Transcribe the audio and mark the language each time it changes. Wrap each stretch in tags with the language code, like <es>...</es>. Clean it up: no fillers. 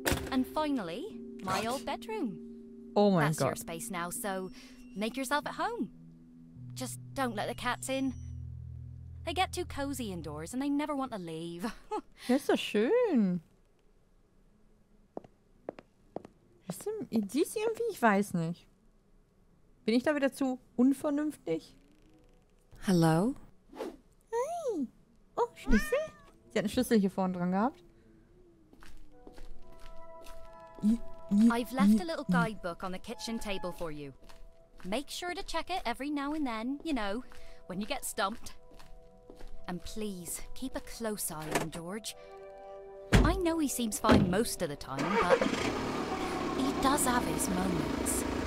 <en>And finally, my old bedroom. Oh my god. That's your space now, so make yourself at home. Just don't let the cats in. They get too cozy indoors and they never want to leave.</en> <de>Das ist so schön. Was ist denn dies irgendwie? Ich weiß nicht. Bin ich da wieder zu unvernünftig?</de> <en>Hello? Hi.</en> <de>Oh, Schlüssel? Sie hat einen Schlüssel hier vorne dran gehabt.</de> <en>I've left a little guidebook on the kitchen table for you. Make sure to check it every now and then, you know, when you get stumped. And please, keep a close eye on George. I know he seems fine most of the time, but he does have his moments.</en>